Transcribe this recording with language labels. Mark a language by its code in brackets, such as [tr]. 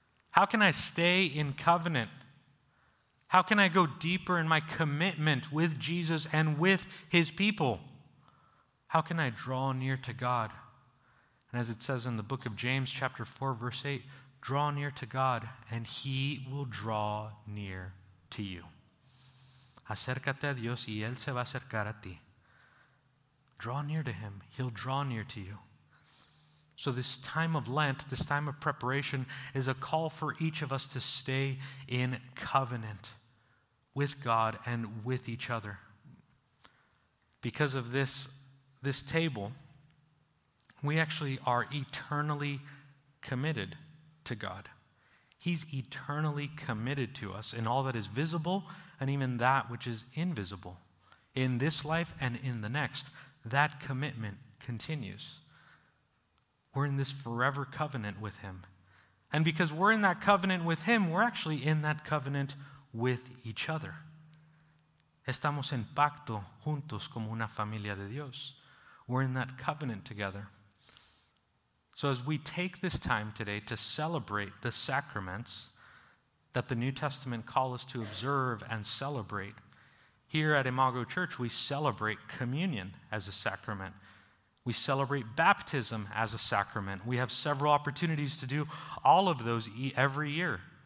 [en] How can I stay in covenant? How can I go deeper in my commitment with Jesus and with his people? How can I draw near to God? And as it says in the book of James, chapter 4, verse 8, draw near to God, and he will draw near to you. [es] Acércate a Dios, y él se va a acercar a ti. [en] Draw near to him. He'll draw near to you. So this time of Lent, this time of preparation, is a call for each of us to stay in covenant with God and with each other. Because of this table, we actually are eternally committed to God. He's eternally committed to us in all that is visible and even that which is invisible. In this life and in the next, that commitment continues. We're in this forever covenant with him. And because we're in that covenant with him, we're actually in that covenant with each other. [es] Estamos en pacto juntos como una familia de Dios. [en] We're in that covenant together. So as we take this time today to celebrate the sacraments that the New Testament calls us to observe and celebrate, here at Imago Church, we celebrate communion as a sacrament. We celebrate baptism as a sacrament. We have several opportunities to do all of those every year.